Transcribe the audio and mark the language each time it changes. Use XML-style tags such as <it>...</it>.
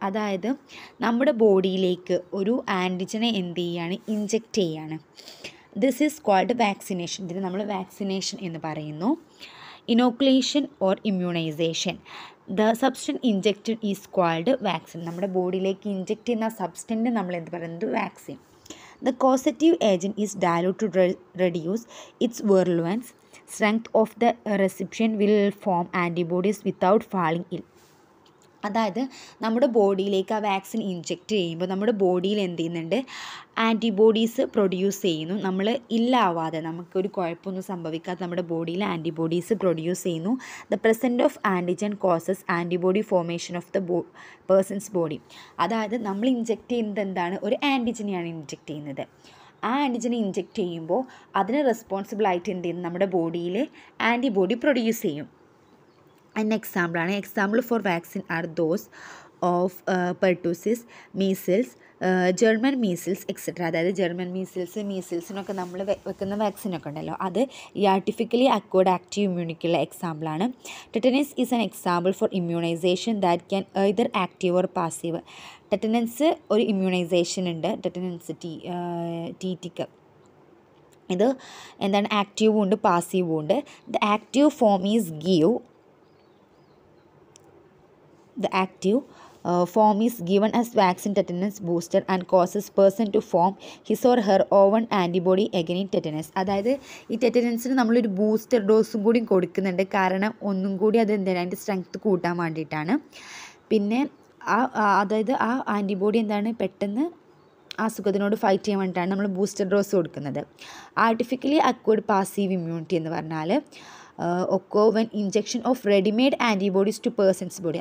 <ml>അതായത് നമ്മുടെ ബോഡിയിലേക്ക് ഒരു ആൻറ്റിജനെ എന്ത് ചെയ്യുകയാണ്, ഇഞ്ചെക്റ്റ് ചെയ്യുകയാണ്.</ml> <en>This is called vaccination.</en> <ml>ഇതിന് നമ്മൾ വാക്സിനേഷൻ എന്ന് പറയുന്നു.</ml> <en>Inoculation or immunization, the substance injected is called vaccine.</en> <ml>നമ്മുടെ ബോഡിയിലേക്ക് ഇഞ്ചെക്റ്റ് ചെയ്യുന്ന സബ്സ്റ്റൻ്റ് നമ്മൾ എന്ത് പറയുന്നത്, vaccine.</ml> <en>The causative agent is diluted to reduce its virulence. Strength of the recipient will form antibodies without falling ill.</en> <ml>അതായത് നമ്മുടെ ബോഡിയിലേക്ക് ആ വാക്സിൻ ഇഞ്ചെക്റ്റ് ചെയ്യുമ്പോൾ നമ്മുടെ ബോഡിയിൽ എന്ത് ചെയ്യുന്നുണ്ട്, ആൻറ്റിബോഡീസ് പ്രൊഡ്യൂസ് ചെയ്യുന്നു. നമ്മൾ ഇല്ലാവാതെ, നമുക്കൊരു കുഴപ്പമൊന്നും സംഭവിക്കാതെ നമ്മുടെ ബോഡിയിൽ ആൻറ്റിബോഡീസ് പ്രൊഡ്യൂസ് ചെയ്യുന്നു.</ml> <en>The present of antigen causes antibody formation of the person's body.</en> <ml>അതായത് നമ്മൾ ഇഞ്ചെക്റ്റ് ചെയ്യുന്നത് എന്താണ്, ഒരു ആൻറ്റിജനെയാണ് ഇഞ്ചെക്റ്റ് ചെയ്യുന്നത്. ആ ആൻറ്റിജനെ ഇഞ്ചെക്റ്റ് ചെയ്യുമ്പോൾ അതിന് റെസ്പോൺസിബിളായിട്ട് എന്ത് ചെയ്യുന്നു, നമ്മുടെ ബോഡിയിൽ ആൻറ്റിബോഡി പ്രൊഡ്യൂസ് ചെയ്യും.</ml> <en>അതിന് എക്സാമ്പിളാണ്, example for vaccine are those of pertussis, measles, German measles etcetera.</en> <ml>അതായത് ജർമ്മൻ മീസിൽസ്, മീസിൽസിനൊക്കെ നമ്മൾ വെക്കുന്ന വാക്സിനൊക്കെ ഉണ്ടല്ലോ, അത് ഈ ആർട്ടിഫിക്കലി അക്വേർഡ് ആക്റ്റീവ് ഇമ്മ്യൂണിറ്റിയുള്ള എക്സാമ്പിളാണ്.</ml> <en>Tetanus is an example for immunization that can either active or passive.</en> <ml>ടെറ്റനൻസ് ഒരു ഇമ്മ്യൂണൈസേഷൻ ഉണ്ട്, ടെറ്റനൻസ് ടീറ്റിക്ക്. ഇത് എന്താണ്, ആക്റ്റീവും ഉണ്ട് പാസീവും ഉണ്ട്.</ml> <en>The active form is give. The active form is given as vaccine tetanus booster and causes person to form his or her own antibody against tetanus.</en> <ml>അതായത് ഈ ടെറ്റനസിന് നമ്മളൊരു booster ഡോസും കൂടി കൊടുക്കുന്നുണ്ട്, കാരണം ഒന്നും കൂടി അത് എന്തായാലും അതിൻ്റെ സ്ട്രെങ്ത് കൂട്ടാൻ വേണ്ടിയിട്ടാണ്. പിന്നെ അതായത് ആ ആൻറ്റിബോഡി എന്താണ്, പെട്ടെന്ന് അസുഖത്തിനോട് ഫൈറ്റ് ചെയ്യാൻ വേണ്ടിയിട്ടാണ് നമ്മൾ ബൂസ്റ്റർ ഡോസ് കൊടുക്കുന്നത്.</ml> <en>artificially acquired passive immunity</en> <ml>എന്ന് പറഞ്ഞാൽ,</ml> <en>Occur when injection of readymade antibodies to person's body.</en>